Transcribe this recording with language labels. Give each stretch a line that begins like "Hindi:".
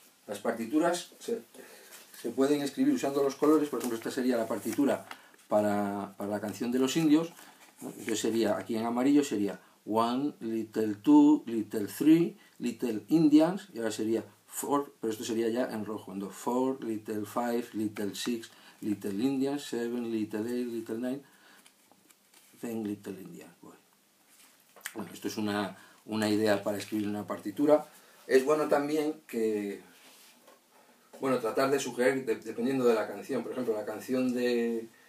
Spanish: Las partituras se pueden escribir usando los colores. Por ejemplo, esta sería la partitura para la canción de los indios, ¿no? Yo sería, aquí en amarillo sería
English: one, little two, little three, little Indians,
Spanish: y ahora sería four, pero esto sería ya en rojo, ¿no?
English: Four, little five, little six, little Indians, seven, little eight, little nine, ten, little Indians.
Spanish: Bueno, esto es una idea para escribir una partitura. Es bueno también que, bueno, tratar de sugerir, dependiendo de la canción, por ejemplo, la canción de